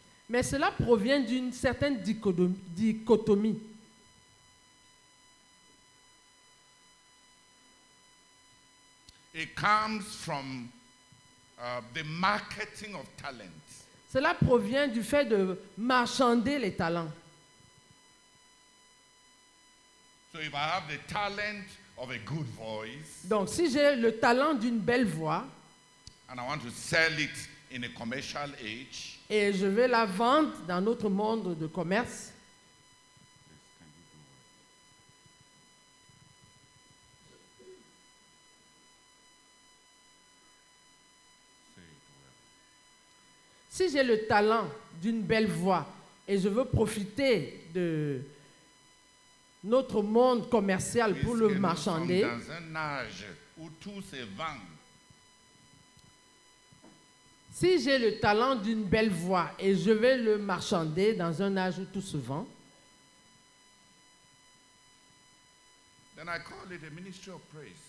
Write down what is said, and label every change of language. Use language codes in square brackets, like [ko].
[fr] Mais cela provient d'une certaine dichotomie. [en] It comes from the marketing of talent. [fr] Cela provient du fait de marchander les talents. [en] So if I have the talent of a good voice, [fr] donc si j'ai le talent d'une belle voix, [en] and I want to sell it in a commercial age, [fr] et je vais la vendre dans notre monde de commerce. Si j'ai le talent d'une belle voix et je veux profiter de notre monde commercial pour le marchander. Dans un âge où tout se vend. Si j'ai le talent d'une belle voix et je vais le marchander dans un âge où tout se vend. [en] Then I call it a ministry of praise.